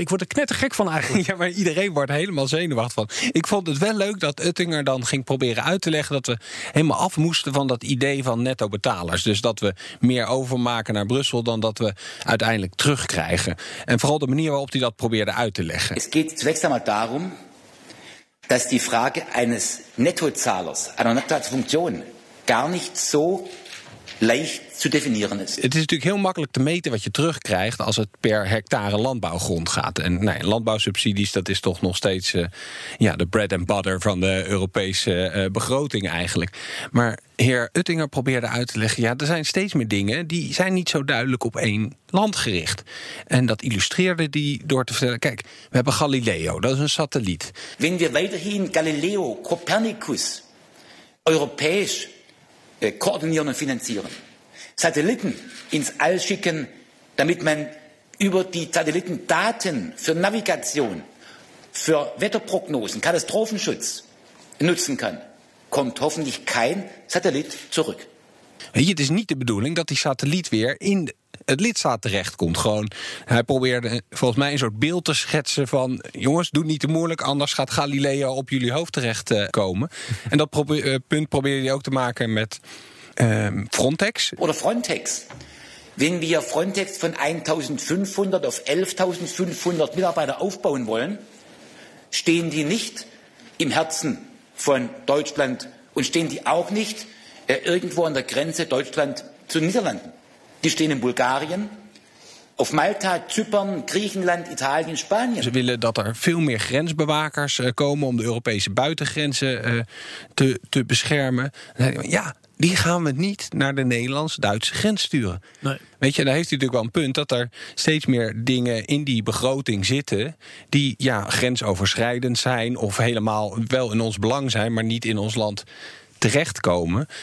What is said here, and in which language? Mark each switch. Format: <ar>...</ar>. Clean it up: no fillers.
<nl>Ik word er knettergek van eigenlijk. Ja, maar iedereen wordt helemaal zenuwachtig van. Ik vond het wel leuk dat Uttinger dan ging proberen uit te leggen dat we helemaal af moesten van dat idee van netto betalers. Dus dat we meer overmaken naar Brussel dan dat we uiteindelijk terugkrijgen. En vooral de manier waarop hij dat probeerde uit te leggen. Het gaat</nl> <de>zunächst einmal darum, dass die Frage eines Nettozahlers, einer Nettozahlfunktion, gar nicht so leicht zu definieren ist.</de> <nl>Het is natuurlijk heel makkelijk te meten wat je terugkrijgt als het per hectare landbouwgrond gaat. En nee, landbouwsubsidies, dat is toch nog steeds de</nl> <en>bread and butter</en> <nl>van de Europese begroting eigenlijk. Maar heer Uttinger probeerde uit te leggen, ja, er zijn steeds meer dingen die zijn niet zo duidelijk op één land gericht. En dat illustreerde die door te vertellen, kijk, we hebben Galileo, dat is een satelliet.</nl> <de>Wenn wir weiterhin Galileo, Copernicus, Europees koordinieren und finanzieren. Satelliten ins All schicken, damit man über die Satelliten Daten für Navigation, für Wetterprognosen, Katastrophenschutz nutzen kann, kommt hoffentlich kein Satellit zurück.</de> <nl>Hier, het is niet de bedoeling dat die satelliet weer in het lidstaat terechtkomt. Gewoon, hij probeerde volgens mij een soort beeld te schetsen van, jongens, doe niet te moeilijk, anders gaat Galileo op jullie hoofd terechtkomen. En dat punt probeerde hij ook te maken met Frontex.</nl> <de>Oder Frontex. Wenn wir Frontex von 1.500 auf 11.500 Mitarbeiter aufbauen wollen, stehen die nicht im Herzen von Deutschland und stehen die auch nicht irgendwo an der Grenze Deutschland zu Niederlanden. Die stehen in Bulgarien, auf Malta, Zypern, Griechenland, Italien, Spanien.</de> <nl>Ze willen dat er veel meer grensbewakers komen om de Europese buitengrenzen te beschermen. Ja, die gaan we niet naar de Nederlands-Duitse grens sturen. Nee. Weet je, daar heeft hij natuurlijk wel een punt dat er steeds meer dingen in die begroting zitten die ja grensoverschrijdend zijn of helemaal wel in ons belang zijn, maar niet in ons land terechtkomen.</nl>